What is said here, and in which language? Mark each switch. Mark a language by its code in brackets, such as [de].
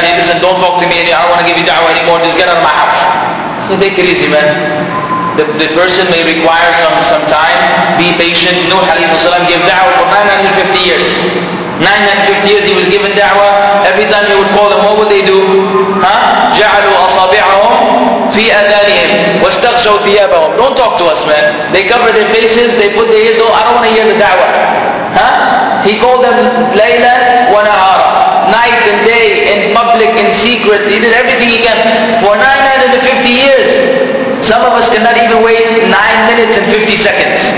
[en] Say, listen, don't talk to me anymore. I don't want to give you da'wah anymore. Just get out of my house. So take it easy, man. The person may require some time. Be patient. You know, Hadith of Salaam gave da'wah for 950 years. 950 years he was given da'wah. Every time you would call them, what would they do? Huh? [ar] جعلوا أصابعهم في أذانهم واستغشوا ثيابهم. [en] Don't talk to us, man. They cover their faces, they put their ears, I don't want to hear the da'wah. Huh? He called them [ar] Layla wa Nahara. [en] Night and day, in public, in secret. He did everything he can. For 950 years, some of us cannot even wait 9 minutes and 50 seconds.